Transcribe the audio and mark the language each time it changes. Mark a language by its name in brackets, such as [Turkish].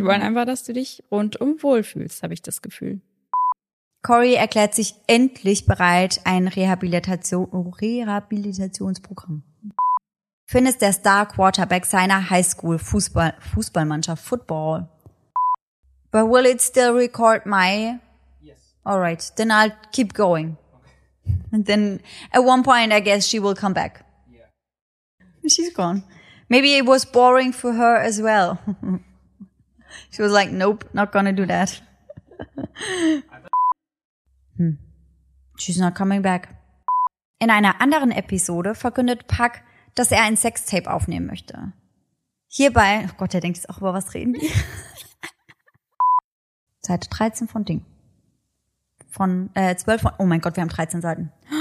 [German] Die wollen einfach, dass du dich rundum wohlfühlst, habe ich das Gefühl. Corey erklärt sich endlich bereit, ein Rehabilitationsprogramm. Finn ist der Star-Quarterback seiner Highschool-Fußballmannschaft, Football. [English] But will it still record my... Yes. Alright, then I'll keep going. Okay. And then at one point, I guess she will come back. Yeah. She's gone. Maybe it was boring for her as well. She was like, nope, not gonna do that. She's not coming back. [German] In einer anderen Episode verkündet Puck, dass er ein Sextape aufnehmen möchte. Hierbei, oh Gott, der denkt jetzt auch über was reden. Seite 13 von Ding. Von 12 von, oh mein Gott, wir haben 13 Seiten.